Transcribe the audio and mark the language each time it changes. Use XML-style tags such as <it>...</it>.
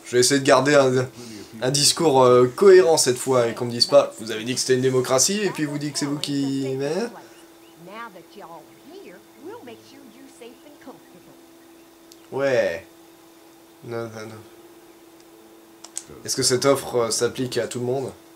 <fr>Je vais essayer de garder un discours cohérent cette fois et qu'on me dise pas vous avez dit que c'était une démocratie et puis vous dites que c'est vous qui mais...</fr> <en>Now that y'all are here, we'll make sure you're safe and comfortable.</en> <fr>Ouais. Non, non, non. Est-ce que cette offre s'applique à tout le monde?</fr>